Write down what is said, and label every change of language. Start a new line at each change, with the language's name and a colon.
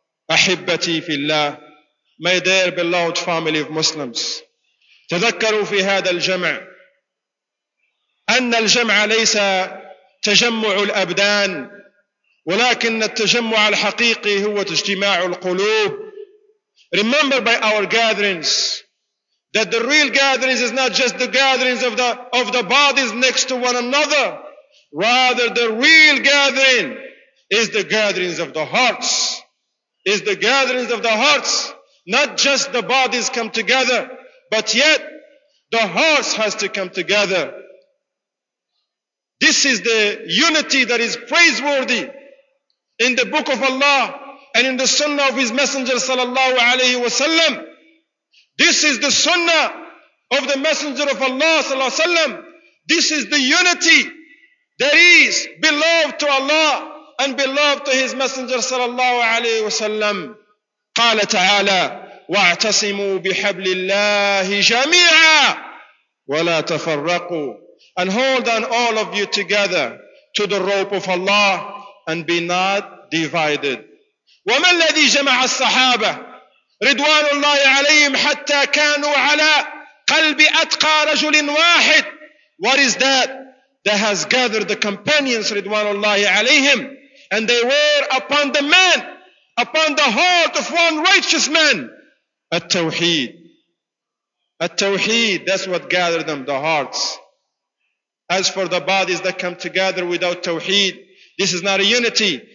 Arabic: Ahibbati fi Allah,
English: my dear beloved family of Muslims,
Arabic: تذكروا في هذا الجمع أن الجمع ليس تجمع الأبدان, ولكن التجمع الحقيقي هو اجتماع القلوب.
English: Remember by our gatherings that the real gatherings is not just the gatherings of the bodies next to one another, rather the real gathering is the gatherings of the hearts, is the gatherings of the hearts. Not just the bodies come together, but yet the hearts has to come together. This is the unity that is praiseworthy in the book of Allah and in the sunnah of his messenger sallallahu alayhi wa sallam. This is the sunnah of the messenger of Allah sallallahu alayhi wa sallam. This is the unity that is beloved to Allah and beloved to his messenger sallallahu alayhi wa sallam.
Arabic: قال تعالى واعتصموا بحبل الله جميعا ولا تفرقوا.
English: And hold on all of you together to the rope of Allah and be not divided.
Arabic: وما الذي جمع الصحابة رضوان الله عليهم حتى كانوا على قلب أتقى رجل واحد.
English: What is that has gathered the companions
Arabic: رضوان الله عليهم,
English: and they were upon the man, upon the heart of one righteous man? At-tawheed. At-tawheed, that's what gathered them, the hearts. As for the bodies that come together without tawheed, this is not a unity.